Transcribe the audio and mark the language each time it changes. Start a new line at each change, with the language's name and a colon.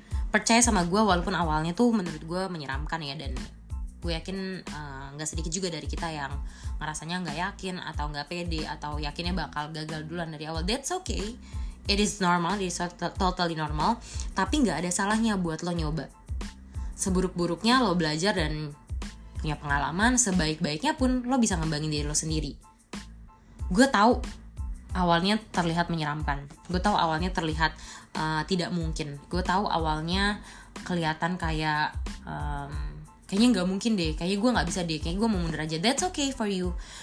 Indonesian: Percaya sama gue, walaupun awalnya tuh menurut gue menyeramkan ya, dan gue yakin gak sedikit juga dari kita yang ngerasanya gak yakin atau gak pede atau yakinnya bakal gagal duluan dari awal.
English: That's okay, it is normal, it is totally normal.
Indonesian: Tapi gak ada salahnya buat lo nyoba. Seburuk-buruknya lo belajar dan punya pengalaman, sebaik-baiknya pun lo bisa ngembangin diri lo sendiri. Gue tahu awalnya terlihat menyeramkan. Gue tahu awalnya terlihat tidak mungkin. Gue tahu awalnya kelihatan kayak kayaknya gak mungkin deh, kayaknya gue gak bisa deh, kayaknya gue mau mundur aja.
English: That's okay for you.